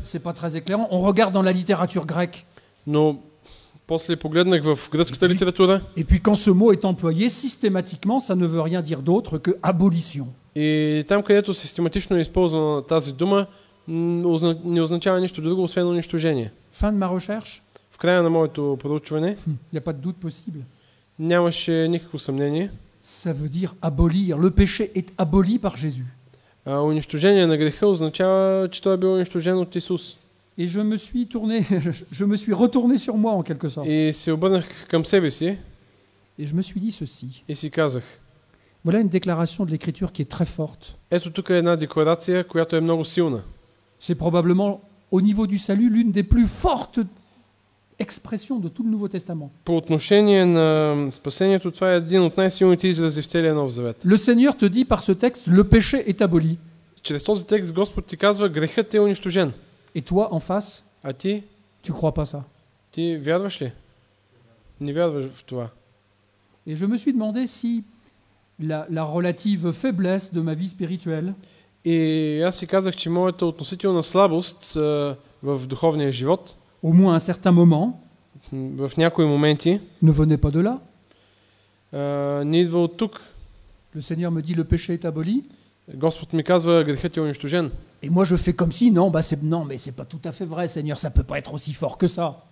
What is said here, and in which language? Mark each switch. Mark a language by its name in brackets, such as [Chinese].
[French] C'est pas très éclairant. On regarde dans la littérature grecque. [Bulgarian] Но после погледнах в гръцката литература. [French] Et puis quand ce mot est employé systématiquement, ça ne veut rien dire d'autre que abolition. [Bulgarian] И там, където систематично е използвана тази дума, не означава нищо друго освен унищожение. [French] Fin de ma recherche? [Bulgarian] В края на моето проучване. [French] Il y a pas de doute possible. [Bulgarian] Нямаше никакво съмнение. [French] Ça veut dire abolir. Le péché est aboli par Jésus. [Bulgarian] Унищожение на греха означава, че той е бил унищожен от Исус. [French] Et je me suis tourné, je me suis retourné sur moi en quelque sorte. [Bulgarian] Et се обърнах към себе си. [French] Et je me suis dit ceci. [Bulgarian] Et си казах. [French] Voilà une déclaration de l'écriture qui est très forte. [Bulgarian] Ето тук е една декларация, която е много силна. [French] C'est probablement au niveau du salut l'une des plus fortes expressions de tout le Nouveau Testament. [Bulgarian] По отношение на спасението, това е един от най-силните изрази в целия Нов Завет. [French] Le Seigneur te dit par ce texte le péché est aboli. [Bulgarian] Чрез този текст Господ ти казва грехът е унищожен. [French] Et toi en face? [Bulgarian] А ти? [French] Tu crois pas ça? [Bulgarian] Ти вярваш ли? Не вярваш в това. [French] Et je me suis demandé si la relative faiblesse de ma vie spirituelle. [Bulgarian] Et аз си казах, че моята относителна слабост в духовния живот [French] au moins un certain moment, [Bulgarian] в някои моменти, [French] ne venait pas de là. [Bulgarian] Не идва от тук. [French] Le Seigneur me dit le péché est aboli. [Bulgarian] Господ ми казва грехът е унищожен. [French] Et moi je fais comme si non, bah c'est non, mais c'est pas tout à fait vrai, Seigneur, ça peut pas être aussi fort que ça.